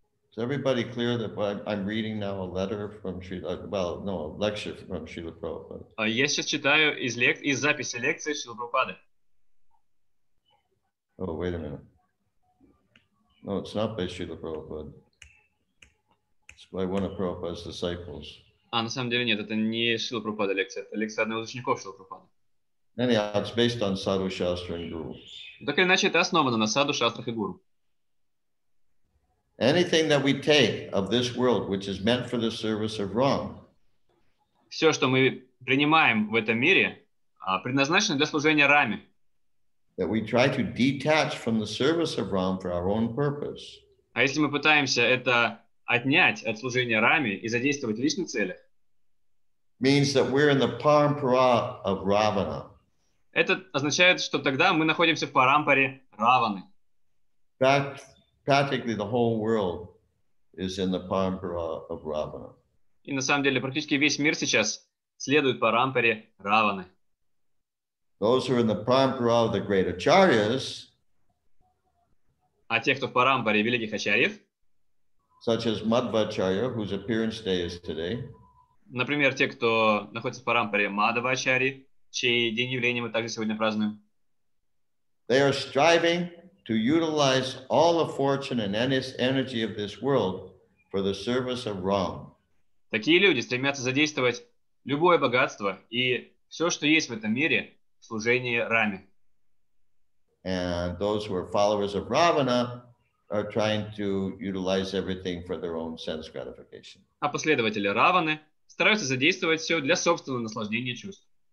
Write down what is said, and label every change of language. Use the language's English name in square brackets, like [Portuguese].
[English] Is everybody clear that I'm reading now a letter from Srila, well, no, a lecture from Srila Prabhupada? [Russian] Я сейчас читаю из записи лекции Шрилы Прабхупады. [English] Oh, wait a minute. No, it's not by Srila Prabhupada. It's by one of Prabhupada's disciples. [Russian] А на самом деле нет, это не Шрила Прабхупада лекция, это лекция одного из учеников Шрила Прабхупады. [English] Anyhow, it's based on Sadhu, Shastra, and Guru. [Russian] Так или иначе, это основано на Саду, Шастрах и Гуру. [English] Anything that we take of this world, which is meant for the service of Ram. [Russian] Все, что мы принимаем в этом мире, предназначено для служения Раме. [English] That we try to detach from the service of Ram for our own purpose. [Russian] А если мы пытаемся это отнять от служения Раме и задействовать в личных целях? [English] Means that we're in the parampara of Ravana. [Russian] Это означает, что тогда мы находимся в парампаре Раваны. [English] Practically the whole world is in the parampara of Ravana. [Russian] И на самом деле практически весь мир сейчас следует парампаре Раваны. [English] Those who are in the parampara of the great acharyas, [Russian] а те, кто в парампаре великих ачарьев, [English] such as Madhvacharya, whose appearance day is today, [Russian] например, те, кто находится в парампаре Мадхвачарьи, чей день явления мы также сегодня празднуем. [English] They are striving to utilize all the fortune and energy of this world for the service of Ram. [Russian] Такие люди стремятся задействовать любое богатство и все, что есть в этом мире, в служении Раме. [English] And those who are followers of Ravana are trying to utilize everything for their own sense gratification. [Russian] А последователи Раваны стараются задействовать все для собственного наслаждения чувств.